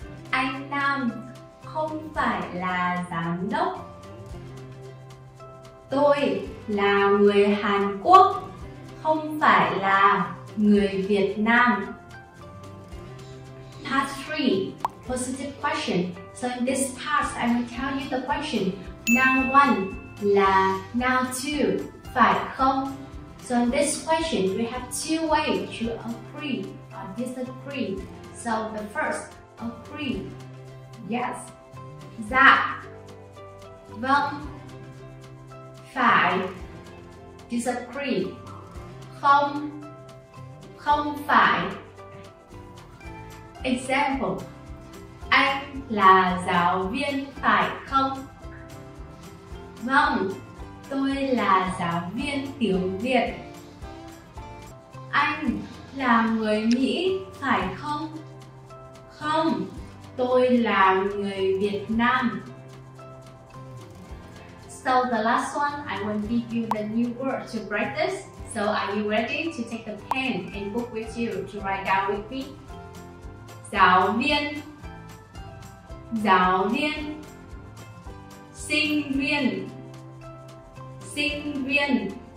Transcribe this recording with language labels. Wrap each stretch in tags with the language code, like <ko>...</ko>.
<vi>Anh Nam không phải là giám đốc. Tôi là người Hàn Quốc, không phải là người Việt Nam.</vi> <en>Part 3, positive question. So in this part, I will tell you the question.</en> <vi>Now 1 là now 2, phải không?</vi> <en>So in this question, we have two ways to agree or disagree. So the first, agree. Yes.</en> <vi>Dạ. Vâng. Phải.</vi> <en>Disagree.</en> <vi>Không. Không phải.</vi> <en>Example.</en> <vi>Anh là giáo viên phải không? Vâng. Tôi là giáo viên tiếng Việt. Anh là người Mỹ phải không? Không, tôi là người Việt Nam.</vi> <en>So the last one, I will give you the new word to practice. So are you ready to take the pen and book with you to write down with me?</en> <vi>Giáo viên. Giáo viên. Sinh viên. Sinh viên.</vi>